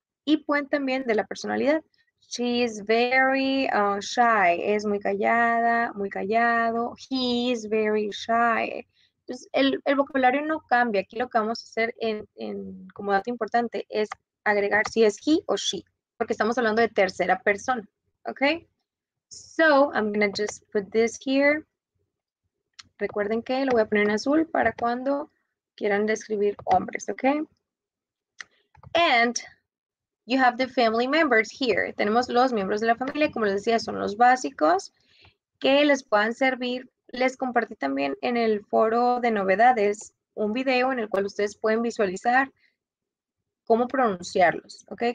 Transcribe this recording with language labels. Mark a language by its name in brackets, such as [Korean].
[Spanish] Y pueden también de la personalidad. [English] She is very shy. [Spanish] Es muy callada, muy callado. [English] He is very shy. [Spanish] Entonces, el vocabulario no cambia. Aquí lo que vamos a hacer en como dato importante es agregar si es he o she, porque estamos hablando de tercera persona. [English] Okay? So, I'm going to just put this here. [Spanish] Recuerden que lo voy a poner en azul para cuando quieran describir hombres, okay? [English] And you have the family members here. [Spanish] Tenemos los miembros de la familia, como les decía, son los básicos que les puedan servir. Les compartí también en el foro de novedades un video en el cual ustedes pueden visualizar cómo pronunciarlos, okay?